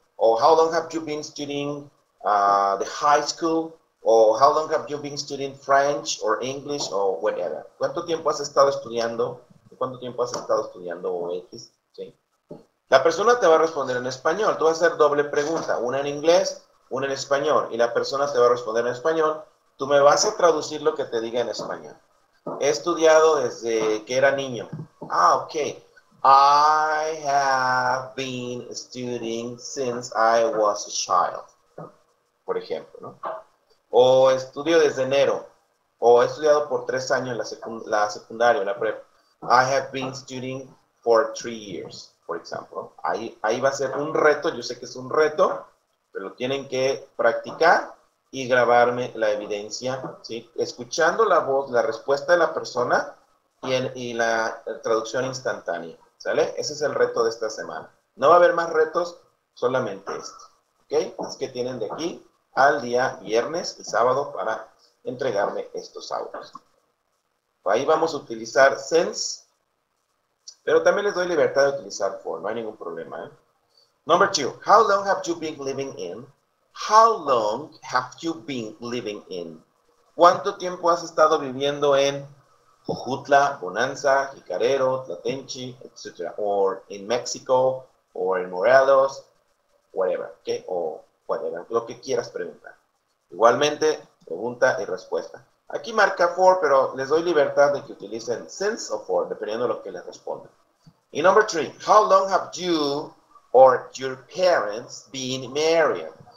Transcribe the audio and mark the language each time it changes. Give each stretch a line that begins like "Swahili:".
English: O how long have you been studying the high school? O how long have you been studying French or English or whatever?
Spanish: ¿Cuánto tiempo has estado estudiando? ¿Cuánto tiempo has estado estudiando OX? ¿Sí? La persona te va a responder en español. Tú vas a hacer doble pregunta. Una en inglés, una en español. Y la persona te va a responder en español. Tú me vas a traducir lo que te diga en español. He estudiado desde que era niño. Ah, ok.
English: I have been studying since I was a child.
Spanish: Por ejemplo, ¿no? O estudio desde enero. O he estudiado por 3 años en la secundaria, la prep.
English: I have been studying for 3 years,
Spanish: por ejemplo. Ahí va a ser un reto. Yo sé que es un reto, pero lo tienen que practicar y grabarme la evidencia, ¿sí? Escuchando la voz, la respuesta de la persona y la traducción instantánea, ¿sale? Ese es el reto de esta semana. No va a haber más retos, solamente esto, ¿okay? Es que tienen de aquí al día viernes y sábado para entregarme estos audios. Ahí vamos a utilizar Sense, pero también les doy libertad de utilizar Form, no hay ningún problema, ¿eh?
English: Number two, how long have you been living in? How long have you been living in?
Spanish: ¿Cuánto tiempo has estado viviendo en Jojutla, Bonanza, Jicarero, Tlatenchi, etcétera? O en México, o en Morelos, whatever, ¿okay? O whatever, lo que quieras preguntar. Igualmente, pregunta y respuesta. Aquí marca for, pero les doy libertad de que utilicen since o for, dependiendo de lo que les respondan.
English: Y number three, how long have you or your parents been married?